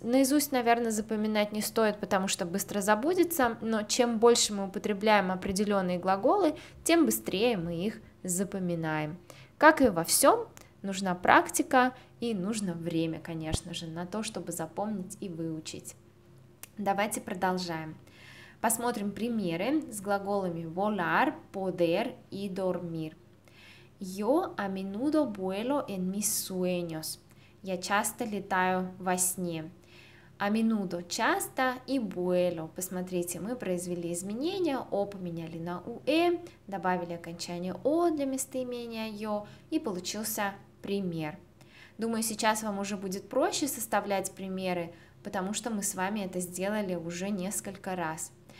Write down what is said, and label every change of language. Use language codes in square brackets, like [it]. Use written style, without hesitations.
[ru] Наизусть, наверное, запоминать не стоит, потому что быстро забудется, но чем больше мы употребляем определенные глаголы, тем быстрее мы их запоминаем. Как и во всем, нужна практика и нужно время, конечно же, на то, чтобы запомнить и выучить. Давайте продолжаем. Посмотрим примеры с глаголами volar, poder и dormir. [es] Yo a menudo vuelo en mis sueños. [ru] Я часто летаю во сне. [es] A menudo – [ru] часто и [es] vuelo. [ru] Посмотрите, мы произвели изменения. O поменяли на ue, добавили окончание o для местоимения yo, и получился пример. Думаю, сейчас вам уже будет проще составлять примеры, потому что мы с вами это сделали уже несколько раз.